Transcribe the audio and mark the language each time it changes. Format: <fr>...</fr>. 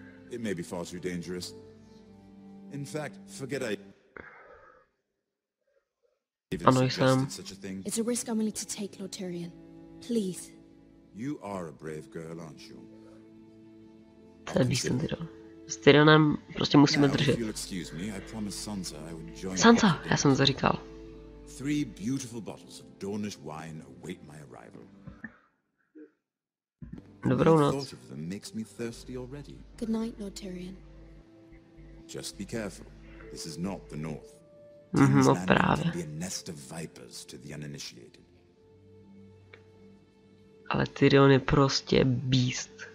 <en>It may be far too dangerous. In fact, forget I.</en> <cs>Ano, jsem.</cs> <en>It's a risk I'm willing to take, Lord Tyrion. Please. You are a brave girl, aren't you?</en> <cs>Tady jsem teda. S Tyrionem prostě musíme držet. Sansa, já jsem zaříkal.</cs> <en>Three beautiful bottles of Dornish wine await my arrival.</en> <cs>Dobrou noc.</cs> <en>Makes me thirsty already. Good night, Lord Tyrion. Just be careful. This is not the North.</en> <cs>Mm-hmm, no právě.</cs> <en>Be a nest of vipers to the uninitiated.</en> <cs>Ale Tyrion je prostě beast.</cs>